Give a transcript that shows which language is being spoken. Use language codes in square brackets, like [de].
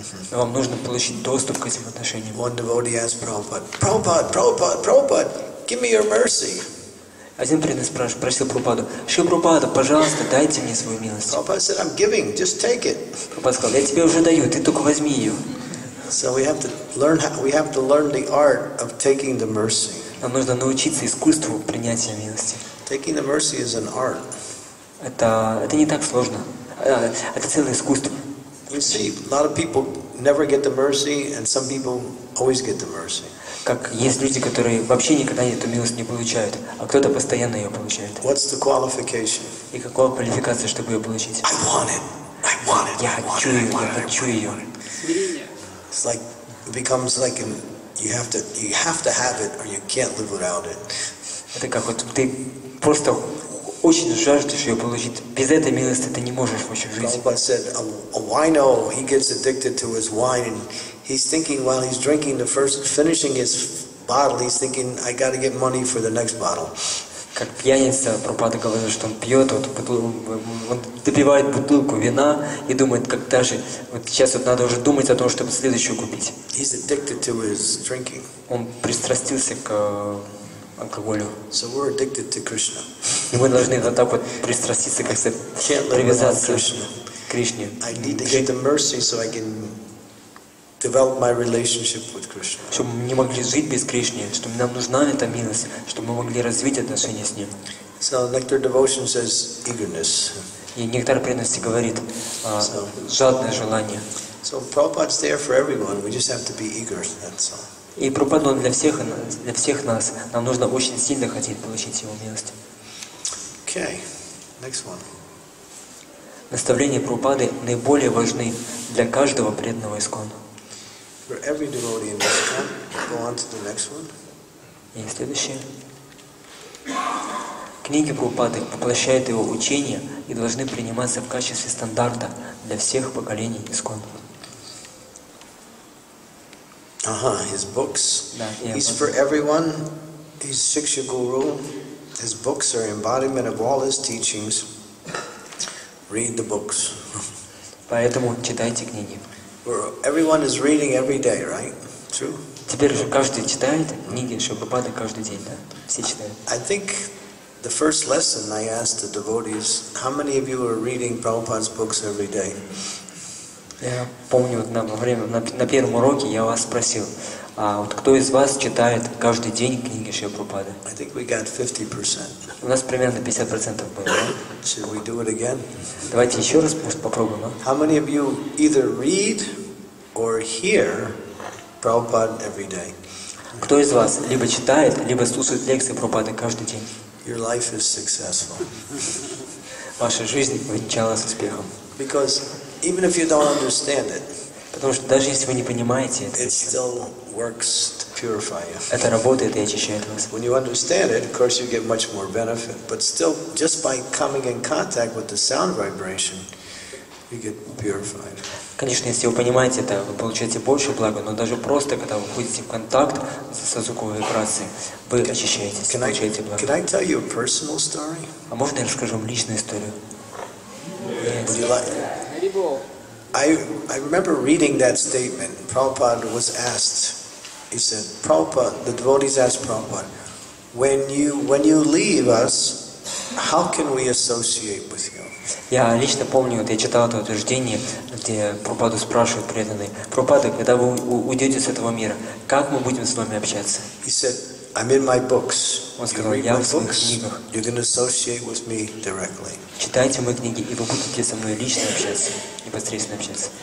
[ru] Но вам нужно получить доступ к этим отношениям. [en] One devotee asks Prabhupada, give me your mercy. [ru] Один преданный спросил Прабхупаду, Шрила Прабхупада, пожалуйста, дайте мне свою милость. [en] Прабхупада said, I'm giving, just take it. [ru] Прабхупада сказал, я тебе уже даю, ты только возьми ее. [en] So we have to learn the art of taking the mercy. [ru] Нам нужно научиться искусству принятия милости. [en] Taking the mercy is an art. [ru] Это не так сложно. Это целое искусство. [en] You see, a lot of people never get the mercy, and some people always get the mercy. [ru] Как есть люди, которые вообще никогда эту милость не получают, а кто-то постоянно ее получает. [en] What's the qualification? [ru] И какова квалификация, чтобы ее получить? [en] I want it. [ru] Я хочу ее. [en] It's like it becomes like you have to have it or you can't live without it. [ru] Это как вот ты просто очень жаждешь ее получить. Без этой милости ты не можешь вообще жить. [en] Prabhupada said, a wino, he gets addicted to his wine and he's thinking while he's drinking the first, finishing his bottle, he's thinking, I got to get money for the next bottle. [ru] Как пьяница, Прабхупада говорил, что он пьет, он допивает бутылку вина и думает, как даже, вот сейчас вот надо уже думать о том, чтобы следующую купить. [en] He's addicted to his drinking. [ru] Он пристрастился к алкоголю. [en] So we're addicted to Krishna. [ru] И мы должны вот так вот пристраститься, как сказать, привязаться к Кришне. [en] I need to get the mercy so I can develop my relationship with Krishna. [ru] Чтобы мы не могли жить без Кришны, чтобы нам нужна эта милость, чтобы мы могли развить отношения с Ним. [en] So nectar devotion says eagerness. [ru] И нектар преданности говорит жадное желание. [en] So Prabhupada's there for everyone. We just have to be eager. That's all. [ru] И Прабхупада для всех нас. Нам нужно очень сильно хотеть получить Его милость. [en] Okay, next one. [ru] Наставления Прабхупады наиболее важны для каждого преданного ИСКОН. [en] For every devotee in this camp, go on to the next one. [ru] И следующее. Книги Прабхупады воплощают его учение и должны приниматься в качестве стандарта для всех поколений ИСКОН. [en] Ага, his books. He's for everyone. He's Shiksha Guru. His books are embodiment of all his teachings. Read the books. [ru] Поэтому читайте книги. [en] Everyone is reading every day, right? True. [ru] Теперь же каждый читает книги Шрилы Прабхупады каждый день, да? Все читают. [en] I think the first lesson I asked the devotees, how many of you are reading Prabhupada's books every day? [ru] Я помню, на первом уроке я вас спросил, а вот кто из вас читает каждый день книги Шрилы Прабхупады? [en] I think we got 50%. [ru] У нас примерно 50% было. [en] Should we do it again? [ru] Давайте еще раз попробуем. А? [en] How many of you either read or hear Prabhupada every day? [ru] Кто из вас либо читает, либо слушает лекции Прабхупады каждый день? [en] Your life is successful. [ru] Ваша жизнь увенчалась успехом. [en] Because even if you don't understand it, [ru] потому что даже если вы не понимаете это, [en] it still works to purify you. [ru] Это работает и очищает вас. [en] When you understand it, of course you get much more benefit. But still, just by coming in contact with the sound vibration, you get purified. [ru] Конечно, если вы понимаете это, вы получаете больше блага, но даже просто, когда вы входите в контакт со звуковой вибрацией, вы очищаетесь, получаете благо. [en] Can I tell you a personal story? [ru] А можно я расскажу вам личную историю? [en] Yes. Would you like? I remember reading that statement. Prabhupada was asked, he said, Prabhupada, the devotees asked Prabhupada, when you leave us, how can we associate with you? [ru] Я лично помню, вот я читал это утверждение, где Прабхупада спрашивает преданные, Прабхупада, когда вы уйдете с этого мира, как мы будем с вами общаться? [en] He said, I'm in my books. [ru] Он сказал, я в своих книгах. [en] You can associate with me directly. [ru] Читайте мои книги, и вы будете со мной лично общаться, непосредственно общаться.